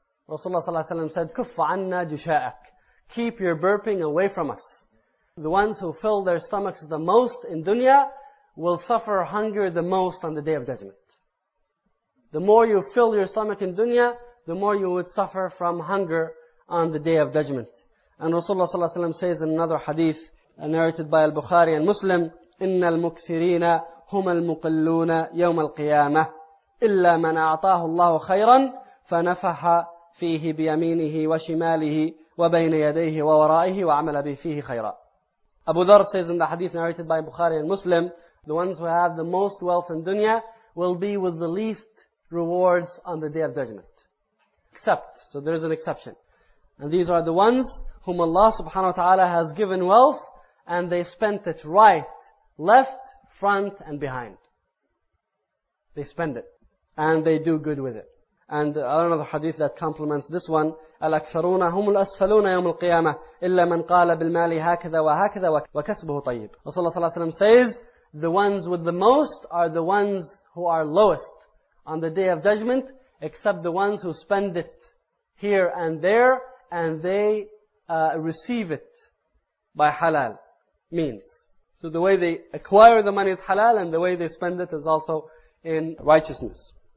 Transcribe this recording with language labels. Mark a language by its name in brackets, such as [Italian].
[Arabic] رسول الله صلى الله عليه وسلم said كف عنا جشاءك. [English] Keep your burping away from us. The ones who fill their stomachs the most in dunya will suffer hunger the most on the Day of Judgment. The more you fill your stomach in dunya, the more you would suffer from hunger on the Day of Judgment. And Rasulullah sallallahu alayhi wa sallam says in another hadith narrated by Al-Bukhari and Muslim, [Arabic] إِنَّ الْمُكْثِرِينَ هُمَ الْمُقَلُّونَ يَوْمَ الْقِيَامَةِ إِلَّا مَنْ أَعْطَاهُ اللَّهُ خَيْرًا فَنَفَحَ فِيهِ بِيَمِينِهِ وَشِمَالِهِ وَبَيْنَ يَدَيْهِ وَوَرَائِهِ وَعَمَلَ بِهِ فِيهِ خَيْرًا. [English] Abu Dharr says in the hadith narrated by Bukhari and Muslim, the ones who have the most wealth in dunya will be with the least rewards on the Day of Judgment. Except, so there is an exception. And these are the ones whom Allah subhanahu wa ta'ala has given wealth and they spent it right, left, front and behind. They spend it and they do good with it. And another hadith that complements this one, [Arabic] الْأَكْثَرُونَ هُمُ الْأَسْفَلُونَ يَوْمُ الْقِيَامَةِ إِلَّا مَنْ قَالَ بِالْمَالِ هَكَذَا وَهَكَذَا وَكَسْبُهُ طَيِّبٌ. [English] Rasulullah sallallahu alayhi wa sallam says, the ones with the most are the ones who are lowest on the Day of Judgment, except the ones who spend it here and there, and they receive it by halal means. So the way they acquire the money is halal, and the way they spend it is also in righteousness.